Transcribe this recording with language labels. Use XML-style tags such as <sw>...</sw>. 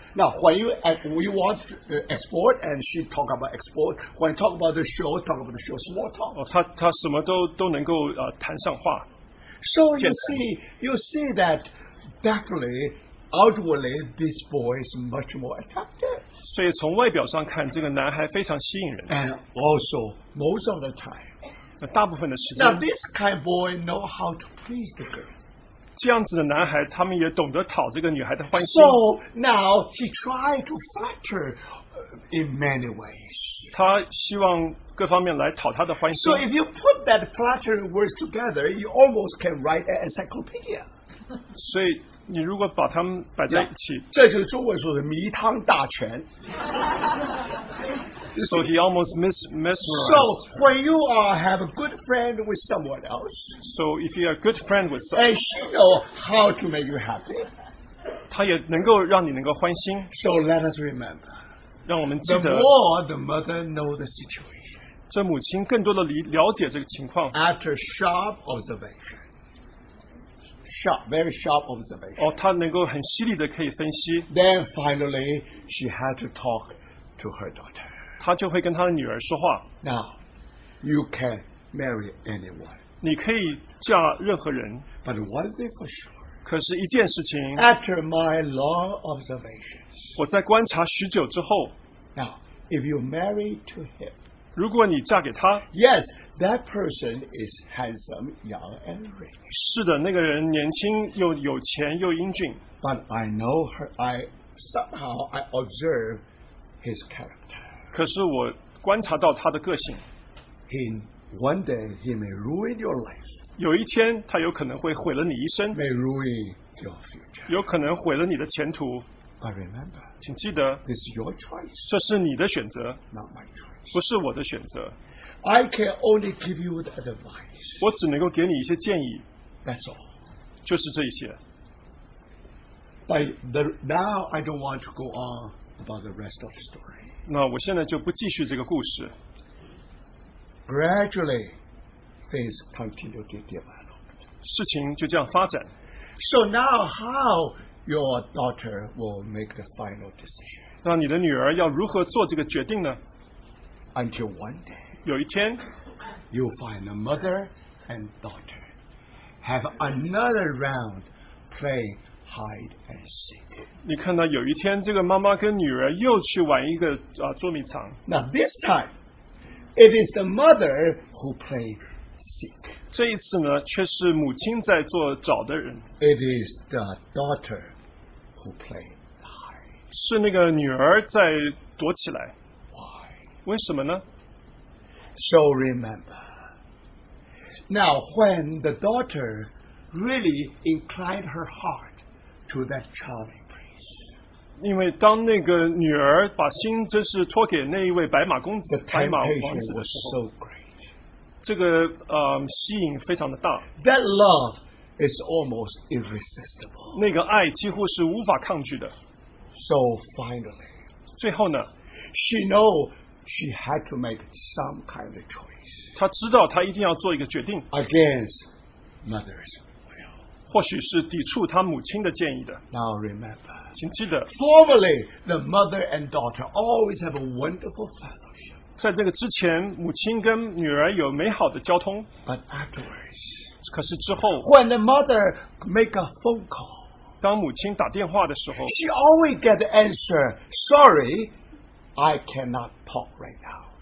<en>Now when you want export and she talk about export, when you talk about the show, talk about the show, small talk.</en> <zh>他什么都能够谈上话。</zh> <en>So you see that definitely outwardly this boy is much more attractive.</en> <zh>所以从外表上看，这个男孩非常吸引人。</zh> <en>And also most of the time,</en> <zh>大部分的时间。</zh> <en>Now this kind of boy know how to please the girl.</en> <zh>这样子的男孩，他们也懂得讨这个女孩的欢心。</zh> <en>So now he tried to flatter in many ways.</en> <zh>他希望各方面来讨她的欢心。</zh> <en>So if you put that flattering words together, you almost can write an encyclopedia.</en> <zh>所以你如果把他们摆在一起，这就是中文说的迷汤大全。</zh> <en>So he almost mesmerized. So when you are have a good friend with someone else, so if you are a good friend with someone, and she know how to make you happy,</en> <zh>她也能够让你能够欢心。</zh> <en>So let us remember,</en> <zh>让我们记得</zh> <en>the more the mother know the situation,</en> <zh>这母亲更多的了解这个情况。</zh> <en>After sharp observation, sharp, very sharp observation.</en> <zh>哦，她能够很犀利的可以分析。</zh> <en>Then finally, she had to talk to her daughter.</en> <zh>他就会跟他的女儿说话。</zh> <en>Now, you can marry anyone.</en> <zh>你可以嫁任何人。</zh> <en>But one thing for sure.</en> <zh>可是一件事情。</zh> <en>After my long observations.</en> <zh>我在观察许久之后。</zh> <en>Now, if you marry to him.</en> <zh>如果你嫁给他。</zh> <en>Yes, that person is handsome, young and rich.</en> <zh>是的，那个人年轻又有钱又英俊。</zh> <en>But I know her. I somehow observe his character.</en> <zh>可是我观察到他的个性。</zh> <en>He, one day he may ruin your life.</en> <zh>有一天他有可能会毁了你一生。</zh> <en>May ruin your future.</en> <zh>有可能毁了你的前途。</zh> <en>But remember,</en> <zh>请记得</zh> <en>this is your choice.</en> <zh>这是你的选择。</zh> <en>Not my choice.</en> <zh>不是我的选择。</zh> <en>I can only give you the advice.</en> <zh>我只能够给你一些建议。</zh> <en>That's all.</en> <zh>就是这一些。</zh> <en>But the, now I don't want to go on about the rest of the story.</en> <zh>那我现在就不继续这个故事。</zh> <en>Gradually, things continue to develop.</en> <zh>事情就这样发展。</zh> <en>So now, how your daughter will make the final decision?</en> <zh>那你的女儿要如何做这个决定呢</zh> <en>？Until one day,</en> <zh>有一天</zh> <en>，you find the mother and daughter have another round play hide and seek.</en> <zh>你看到有一天，这个妈妈跟女儿又去玩一个捉迷藏。</zh> <en>Now this time, it is the mother who played seek.</en> <zh>这一次呢，却是母亲在做找的人。</zh> <en>It is the daughter who played hide.</en> <zh>是那个女儿在躲起来。</zh> <en>Why?</en> <zh>为什么呢？</zh> <en>So remember, now when the daughter really inclined her heart to that charming priest,</en> <zh>因为当那个女儿把心真是托给那一位白马公子、白马王子的时候</zh> <en>，was so great.</en> <zh>这个吸引非常的大。</zh> <en>That love is almost irresistible.</en> <zh>那个爱几乎是无法抗拒的。</zh> <en>So finally,</en> <zh>最后呢</zh> <en>，she know. She had to make some kind of choice.</en> <zh>她知道她一定要做一个决定。</zh> <en>Against mother's will.</en> <zh>或许是抵触她母亲的建议的。</zh> <en>Now remember.</en> <zh>请记得。</zh> <en>Formerly, the mother and daughter always have a wonderful fellowship.</en> <zh>在这个之前，母亲跟女儿有美好的交通。</zh> <en>But afterwards.</en> <zh>可是之后。</zh> <en>When the mother make a phone call.</en> <zh>当母亲打电话的时候。</zh> <en>She always get the answer, sorry. I cannot talk right now.</en>